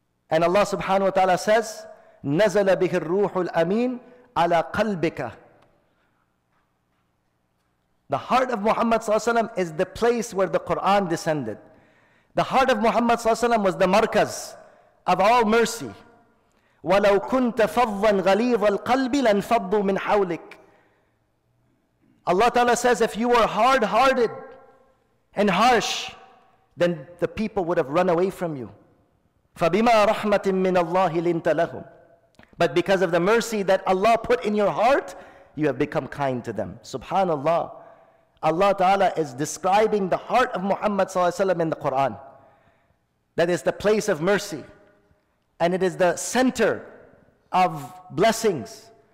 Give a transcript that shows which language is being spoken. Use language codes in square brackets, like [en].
[en] And Allah subhanahu wa ta'ala says, [ar] نزل به الروح الأمين على قلبك. [en] The heart of Muhammad sallallahu alaihi wasallam is the place where the Quran descended. The heart of Muhammad sallallahu alaihi wasallam was the markaz of all mercy. [ar] ولو كنت فظا غليظ القلب لانفضوا من حولك. [en] Allah Ta'ala says, if you were hard-hearted and harsh, then the people would have run away from you. [ar] فبما رحمة من الله لنت لهم. [en] But because of the mercy that Allah put in your heart, you have become kind to them. Subhanallah. Allah Ta'ala is describing the heart of Muhammad Sallallahu Alaihi Wasallam in the Quran. That is the place of mercy. And it is the center of blessings.